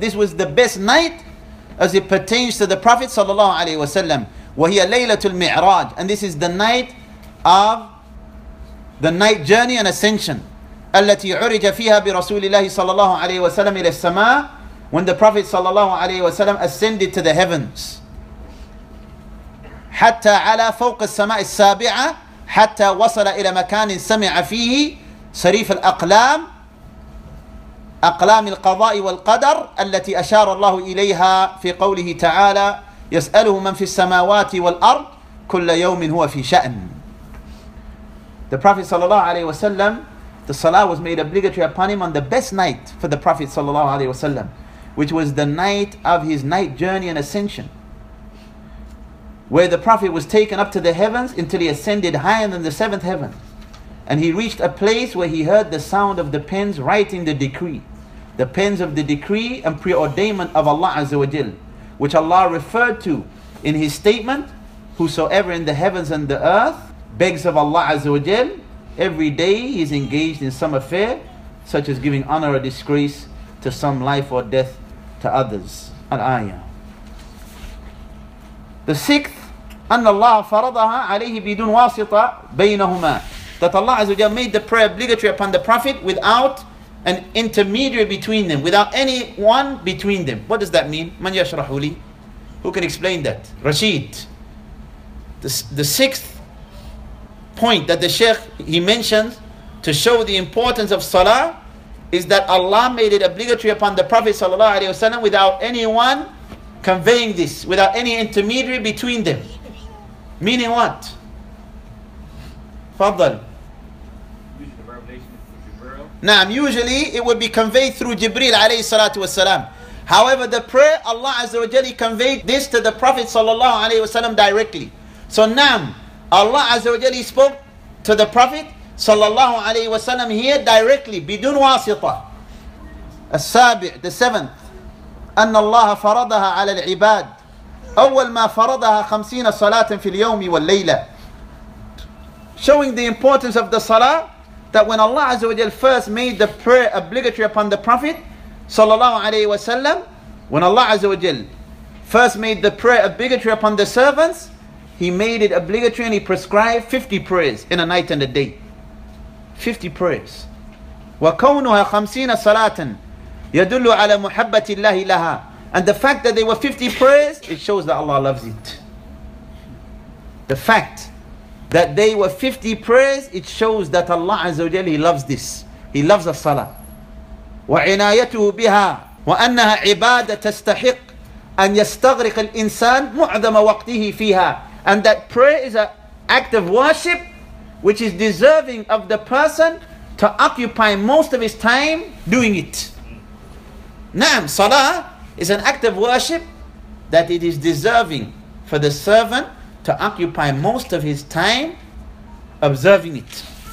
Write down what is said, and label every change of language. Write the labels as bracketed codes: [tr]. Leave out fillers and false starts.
[en] This was the best night as it pertains to the Prophet sallallahu alaihi wasallam. [ar] وَهِيَ لَيْلَةُ الْمِعْرَاجِ. [en] And this is the night of the night journey and ascension. [ar] الَّتِي عُرِجَ فِيهَا بِرَسُولِ اللَّهِ sallallahu alaihi wasallam إِلَى السَّمَاءِ. [en] When the Prophet sallallahu alaihi wasallam ascended to the heavens. [ar] حتى على فوق السماء السابعة حتى وصل إلى مكان سمع فيه صريف الأقلام أقلام القضاء والقدر التي أشار الله إليها في قوله تعالى يسأله من في السماوات والأرض كل يوم هو في شأن. [en] The Prophet صلى الله عليه وسلم, the salah was made obligatory upon him on the best night for the Prophet صلى الله عليه وسلم, which was the night of his night journey and ascension, where the Prophet was taken up to the heavens until he ascended higher than the seventh heaven. And he reached a place where he heard the sound of the pens writing the decree. The pens of the decree and preordainment of Allah Azza wa Jal, which Allah referred to in his statement, whosoever in the heavens and the earth begs of Allah Azza wa Jal, every day he is engaged in some affair, such as giving honor or disgrace to some, life or death to others. Al-Ayah. The sixth, [ar] أن الله فرضها عليه بدون واسطة بينهما. [en] That Allah Azza wa Jal made the prayer obligatory upon the Prophet without an intermediary between them, without anyone between them. What does that mean? [ar] من يشرح لي? [en] Who can explain that? Rashid. The sixth point that the Shaykh, he mentions to show the importance of Salah, is that Allah made it obligatory upon the Prophet sallallahu alaihi wasallam without anyone conveying this, without any intermediary between them. Meaning what? Fadl. Naam, usually it would be conveyed through Jibreel alayhi salatu wasalam. However, the prayer, Allah Azza wa Jalla conveyed this to the Prophet sallallahu alayhi wasalam directly. So naam, Allah Azza wa Jalla spoke to the Prophet sallallahu alayhi wasalam here directly, bidun wasita. As-sabi', the seventh. [ar] أن الله فرضها على العباد أول ما فرضها خمسين صلاة في اليوم والليلة. [en] Showing the importance of the salah, that when Allah Azza wa Jalla first made the prayer obligatory upon the Prophet صلى الله عليه وسلم, when Allah Azza wa Jalla first made the prayer obligatory upon the servants, He made it obligatory and He prescribed 50 prayers in a night and a day. 50 prayers. [ar] وكونها خمسين صلاة يدل على محبة الله لها. [en] And the fact that there were 50 prayers, it shows that Allah loves it. The fact that there were 50 prayers, it shows that Allah Azza wa Jalla, He loves this. He loves the salah. [ar] وعنايته بها وأنها عبادة تستحق أن يستغرق الإنسان معظم وقته فيها. [en] And that prayer is an act of worship which is deserving of the person to occupy most of his time doing it. Naam, salah is an act of worship that it is deserving for the servant to occupy most of his time observing it.